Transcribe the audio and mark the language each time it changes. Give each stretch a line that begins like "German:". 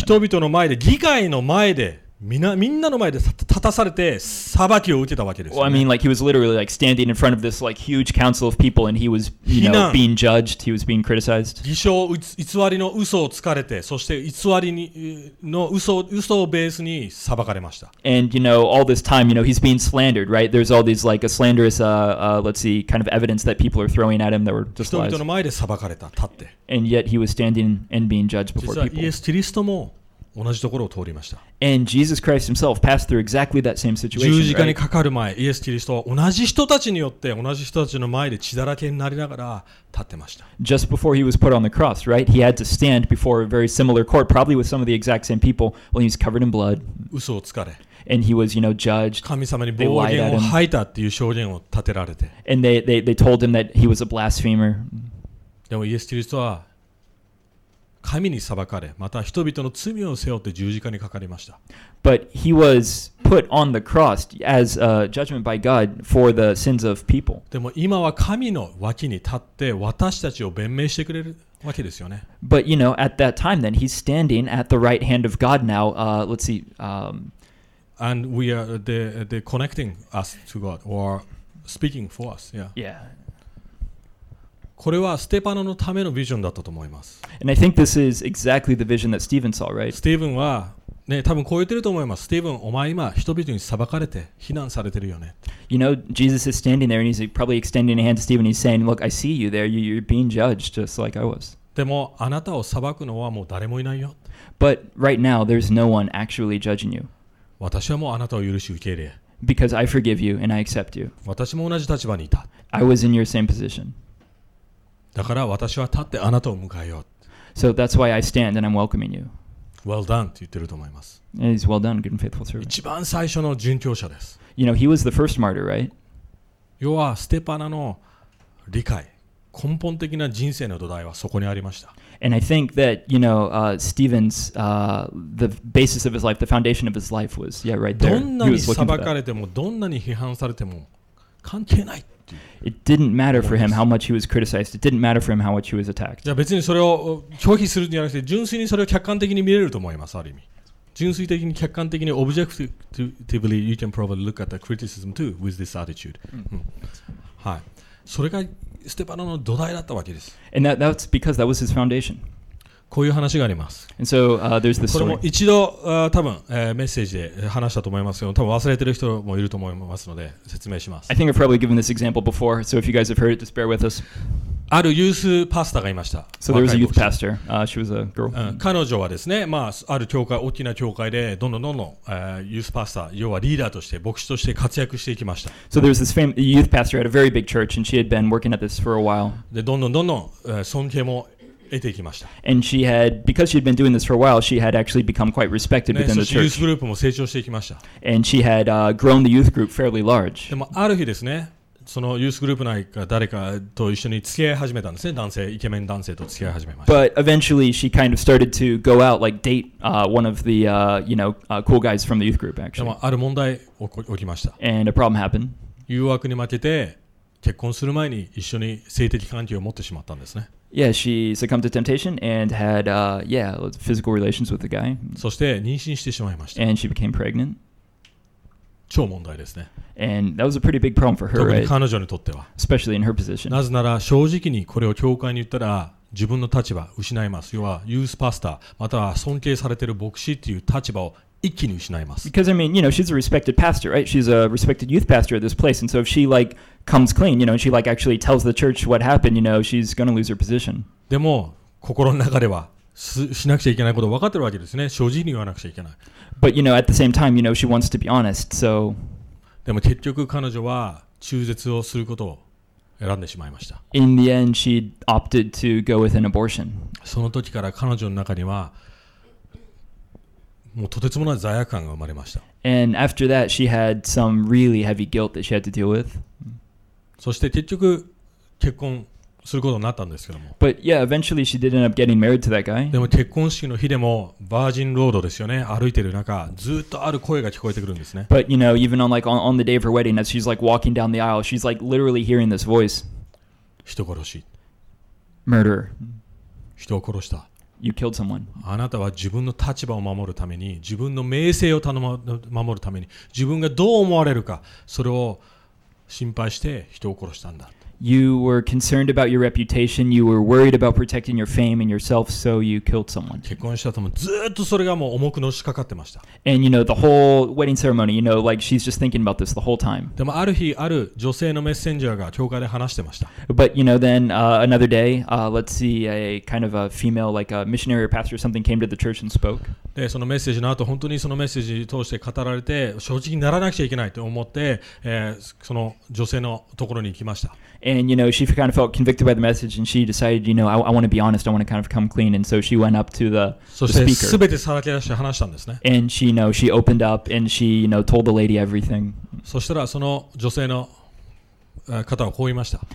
Japanese: 人々の前で、議会の前で、みんなの前で立たされて裁きを受けたわけです、ね。
English: Well, I mean, like he was literally like standing in front of this like huge council of people, and he was, you know, being judged. He was being criticized.
Japanese: 偽証、偽りの嘘をつかれて、そして偽りにの嘘をベースに裁かれました。
English: And you know, all this time, you know, he's being slandered, right? There's all these like a slanderous, let's see, kind of evidence that people are throwing at him that were just lies.
Japanese: 人々の前で裁かれた、立って。
English: And yet he was standing and being judged before people.
Japanese: 実はイエス・キリストも同じところを通りました。
English: And Jesus Christ himself passed through exactly that same situation.
Japanese: 十字架にかかる前、イエス・キリストは同じ人たちによって、同じ人たちの前で血だらけになりながら立ってました。
English: Just before he was put on the cross, right? He had to stand before a very similar court, probably with some of the exact same people, when he was covered in blood.
Japanese: 嘘をつかれ。
English: And he was, you know, judged.
Japanese: 神様に暴言を吐いたっていう証言を立てられて。
English: And they told him that he was a blasphemer.
Japanese: でもイエス・キリストは神に裁かれ、また人々の罪を背負って十字架にかかりました。
English: But he was put on the cross as a judgment by God for the sins of people.
Japanese: でも今は神の脇に立って私たちを弁明してくれるわけですよね。
English: But you know, at that time then, he's standing at the right hand of God now. Let's see. And we are the connecting us to God or speaking for us. Yeah. Yeah.
Japanese: これはステパノのためのビジョンだったと思います。
English: And I think this is exactly the vision that Stephen saw, right?
Japanese: ステーブンはね、多分こう言ってると思います。ステーブン、お前今人々に裁かれて非難されてるよね。
English: You know, Jesus is standing there and he's probably extending a hand to Stephen. He's saying, "Look, I see you there. You're being judged just like I was."
Japanese: でもあなたを裁くのはもう誰もいないよ。
English: But right now, there's no one actually judging you.
Japanese: 私はもうあなたを許し受け入れ。
English: Because I forgive you and I accept you.
Japanese: 私も同じ立場にいた。
English: I was in your same position.
Japanese: だから私は立ってあなたを迎えよう。
English: So that's why I stand and I'm welcoming you. Well done
Japanese: と言ってると思います。
English: He's well done, good and faithful servant.
Japanese: 一番最初の殉教者です。
English: You know, he was the first martyr, right?
Japanese: 要はステパナの理解、根本的な人生の土台はそこにありました。
English: And I think that, you know, Stephen's, the basis of his life, the foundation of his life was, yeah, right there.
Japanese: どんなに裁かれても、どんなに批判されても関係ない。
English: It didn't matter for him how much he was criticized. It didn't matter for him how much he was attacked.
Japanese: じゃあ別にそれを拒否するんじゃなくて、純粋にそれを客観的に見れると思います、ある意味。純粋的に客観的に
English: objectively, you can probably look at the criticism too with this attitude.
Japanese: はい。それがステパノの土台だったわけです。
English: And that's because that was his foundation.
Japanese: こういう話があります。
English: And so, there's this story.
Japanese: これも一度、多分、メッセージで話したと思いますけど、多分忘れてる人もいると思いますので、説明します。
English: I think I've probably given this example before, so if you guys have heard it, just bear with us.
Japanese: あるユースパスターがいました。
English: So there was a youth pastor. She was a girl.
Japanese: 彼女はですね、まあ、ある教会、大きな教会で、どんどん、ユースパスター、要はリーダーとして、牧師として活躍していきました。
English: So there was this youth pastor at a very big church, and she had been working at this for a while.
Japanese: で、どんどん、尊敬も、得ていきました。
English: And she had, because she had been doing this for a while, she had actually become quite respected within the church.
Japanese: ユースグループも成長していきました。
English: And she had grown the youth group fairly large.
Japanese: でもある日ですね、そのユースグループ内か誰かと一緒に付き合い始めたんですね、男性、イケメン男性と付き合い始めました。
English: But eventually she kind of started to go out, like date one of the, you know, cool guys from the youth group, actually.
Japanese: でもある問題起きました。
English: And a problem happened.
Japanese: 誘惑に負けて、結婚する前に一緒に性的関係を持ってしまったんですね。
English: Yeah, she succumbed to temptation and had physical relations with the guy.
Japanese: そして妊娠してしまいました。
English: And she became pregnant.
Japanese: 超問題ですね。
English: And that was a pretty big problem for her, right?
Japanese: 特に彼女にとっては。
English: Especially in her position.
Japanese: なぜなら正直にこれを教会に言ったら自分の立場失います。要はユースパスター、または尊敬されている牧師という立場を一気に失います。
English: Because I mean, you know, she's a respected pastor, right? She's a respected youth pastor at this place, and so if she like comes clean, you know, she like actually tells the church what happened, you know, she's gonna lose her position.
Japanese: でも心の中ではしなくちゃいけないことを分かってるわけですね。正直に言わなくちゃいけない。
English: But you know, at the same time, you know, she wants to be honest, so.
Japanese: でも結局彼女は中絶をすることを選んでしまいました。
English: In the end, she opted to go with an abortion.
Japanese: その時から彼女の中にはもうとてつもない罪悪感が生まれました。
English: And after that, she had some really heavy guilt that she had to deal with.
Japanese: そして結局結婚することになったんですけども。
English: But yeah, eventually she did end up getting married to that guy.
Japanese: でも結婚式の日でもバージンロードですよね。歩いてる中ずっとある声が聞こえてくるんですね。
English: But you know, even on like on the day of her wedding, as she's like walking down the aisle, she's like literally hearing this voice.
Japanese: 人殺し。
English: Murderer.
Japanese: 人を殺した。
English: You killed someone.
Japanese: あなたは自分の立場を守るために、自分の名声を守るために、自分がどう思われるか、それを心配して人を殺したんだ。
English: You were concerned about your reputation. You were worried about protecting your fame and yourself, so you killed someone.
Japanese: 結婚した後もずっとそれがもう重くのしかかってました。
English: And you know the whole wedding ceremony. You know, like she's just thinking about this the whole time.
Japanese: でもある日ある女性のメッセンジャーが教会で話してました。
English: But you know, then another day, let's see, a kind of a female, like a missionary or pastor or something, came to the church and spoke.
Japanese: でそのメッセージの後本当にそのメッセージを通して語られて正直にならなくちゃいけないと思って、その女性のところに行きました。
English: And you know, she kind of felt convicted by the message, and she decided, you know, I want to be honest, I want to kind of come clean, and so she went up to the speaker.
Japanese: すべてさらけ出して話したんですね。
English: And she, you know, she opened up and she, you know, told the lady everything.
Japanese: そしたらその女性の方はこう言いました。